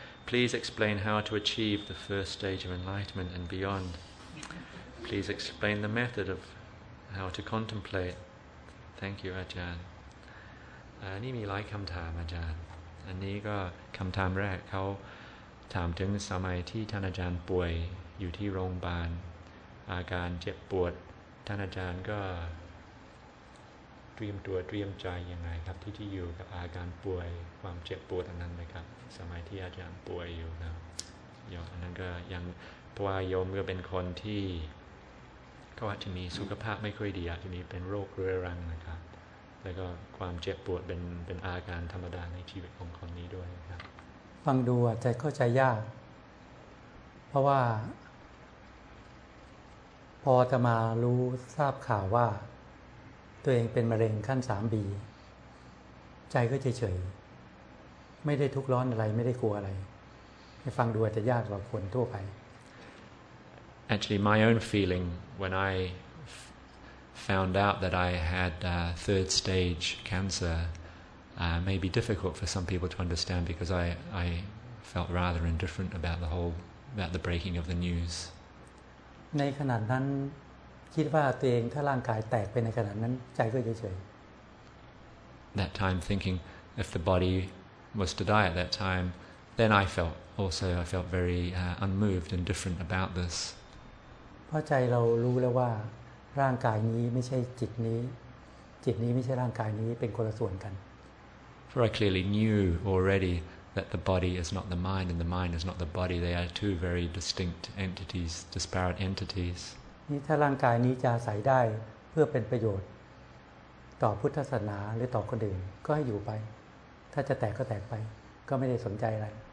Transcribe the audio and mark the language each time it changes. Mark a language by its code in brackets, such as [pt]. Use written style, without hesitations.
[en] Please explain how to achieve the first stage of enlightenment and beyond. Please explain the method of how to contemplate. Thank you, Ajahn. [th] นี่มีหลายคำถามอาจารย์อันนี้ก็คำถามแรกเขาถามถึงสมัยที่ท่านอาจารย์ป่วยอยู่ที่โรงพยาบาลอาการเจ็บปวดท่านอาจารย์ก็ เตรียมตัวเตรียมใจยังไงครับที่อยู่กับอาการป่วยความเจ็บปวดอันนั้นนะครับสมัยที่อาจารย์ป่วยอยู่นะโยมอันนั้นก็ยังเพราะว่าโยมก็เป็นคนที่ก็อาจจะมีสุขภาพไม่ค่อยดีอาจจะมีเป็นโรคเรื้อรังนะครับแล้วก็ความเจ็บปวดเป็นอาการธรรมดาในชีวิตของคนนี้ด้วยนะครับ ฟังดูอาจจะเข้าใจยากเพราะว่าพอจะมารู้ทราบข่าวว่าตัวเองเป็นมะเร็งขั้น 3B ใจก็เฉยๆไม่ได้ทุกข์ร้อนอะไรไม่ได้กลัวอะไรฟังดูอาจจะยากกว่าคนทั่วไป [en] Actually my own feeling when I found out that I had third stage cancerMay be difficult for some people to understand because I felt rather indifferent about the breaking of the news. [th] ในขณะนั้นคิดว่าตัวเองถ้าร่างกายแตกไปในขณะนั้นใจก็เฉย [en] That time thinking if the body was to die at that time, then I felt very unmoved, indifferent about this. [th] เพราะใจเรารู้แล้วว่า ร่างกายนี้ไม่ใช่จิตนี้จิตนี้ไม่ใช่ร่างกายนี้เป็นคนละส่วนกัน [en] For I clearly knew already that the body is not the mind and the mind is not the body they are two very distinct entities disparate entities [th] นี่ถ้าร่างกายนี้จะอาศัยได้เพื่อเป็นประโยชน์ต่อพุทธศาสนาหรือต่อคนอื่นก็ให้อยู่ไปถ้าจะแตกก็แตกไปก็ไม่ได้สนใจอะไร